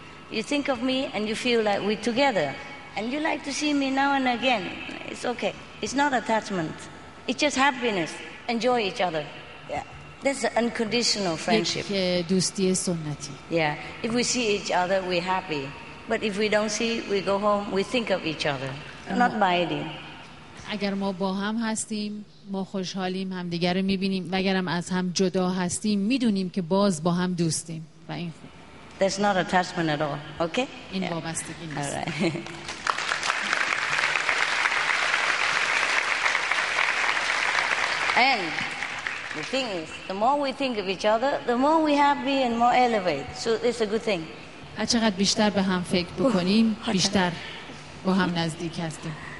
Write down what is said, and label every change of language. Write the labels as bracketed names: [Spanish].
[English] You think of me and you feel like we're together. And you like to see me now and again. It's okay. It's not attachment. It's just happiness. Enjoy each other. Yeah. That's an unconditional friendship. Yeah. If we see each other, we're happy. But if we don't see, we go home, we think of each other. Not by it. [Persian] اگر ما با هم هستیم ما خوشحالیم، همدیگر رو میبینیم، و اگرم از هم جدا هستیم میدونیم که باز با هم دوستیم و این خوب. [English] That's not attachment at all. Okay? [Persian] این وابستگی نیست. [English] All right. And the thing is, the more we think of each other, the more we happy and more elevate. So it's a good thing. [Persian] هرچقدر بیشتر به هم فکر بکنیم بیشتر با هم نزدیک هستیم.